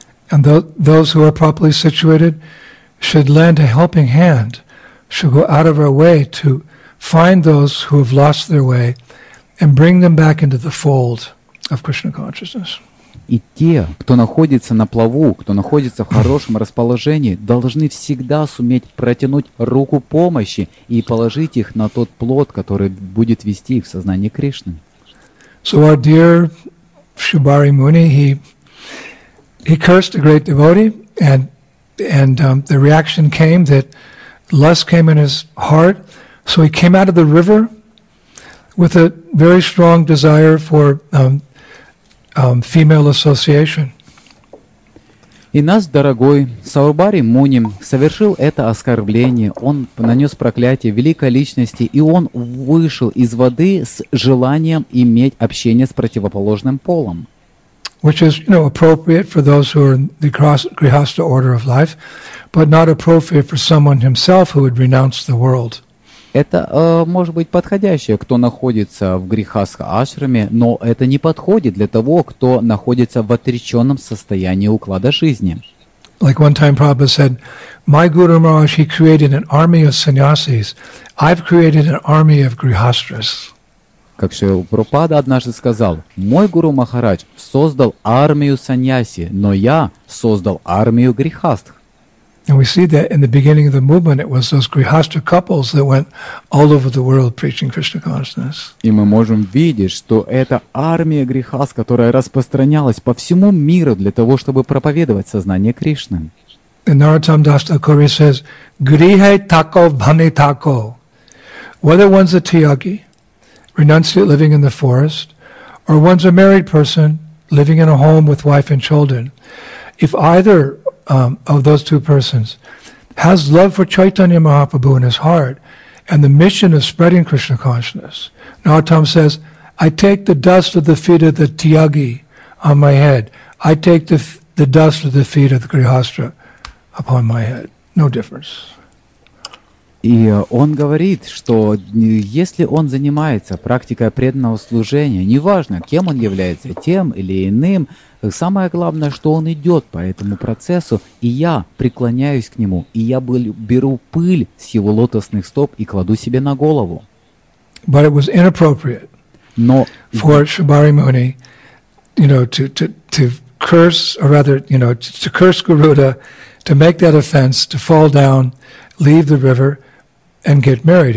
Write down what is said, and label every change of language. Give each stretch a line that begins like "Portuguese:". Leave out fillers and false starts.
English: And those who are properly situated should lend a helping hand, should go out of our way to find those who have lost their way and bring them back into the fold of Krishna consciousness.
Russian: И те, кто находится на плаву, кто находится в хорошем расположении, должны всегда суметь протянуть руку помощи и положить их на тот плод, который будет вести их в сознание Кришны.
English: So our dear Shubhari Muni, he cursed a great devotee, and the reaction came that lust came in his heart, so he came out of the river with a very strong desire for female association.
Russian: И наш дорогой Саурбари Муни совершил это оскорбление. Он нанес проклятие великой личности, и он вышел из воды с желанием иметь общение с противоположным полом.
English: Which is, you know, appropriate for those who are in the grihastha order of life, but not appropriate for someone himself who would renounce the world.
Russian: Это может быть подходящее, кто находится в грихастха ашраме, но это не подходит для того, кто находится в отреченном состоянии уклада жизни.
English: Like one time Prabhupada said, my Guru Maharaj, he created an army of sannyasis, I've created an army of grihastras.
Russian: Как Шрила Прабхупада однажды сказал, мой Гуру Махарадж создал армию саньяси, но я создал армию грихастх.
English: And we see that in the beginning of the movement, it was those grihastha couples that went all over the world preaching Krishna consciousness.
Russian: И мы можем видеть, что это армия грихаст, которая распространялась по всему миру для того, чтобы проповедовать сознание Кришны.
English: And Narottam Das Thakur says,
Bangla: "Grihe tako bhane tako."
English: Whether one's a tyagi, renunciate living in the forest, or one's a married person living in a home with wife and children, if either of those two persons has love for Chaitanya Mahaprabhu in his heart and the mission of spreading Krishna consciousness. Narottam says, I take the dust of the feet of the tyagi on my head. I take the dust of the feet of the grihastha upon my head. No difference.
Russian: И он говорит, что если он занимается практикой преданного служения, неважно, кем он является, тем или иным, самое главное, что он идет по этому процессу, и я преклоняюсь к нему, и я беру пыль с его лотосных стоп и кладу себе на голову.
English: But it was inappropriate for Shubhari Muni, you know, to curse, or rather, you know, to curse Garuda, to make that offense, to fall down, leave the river, and get married.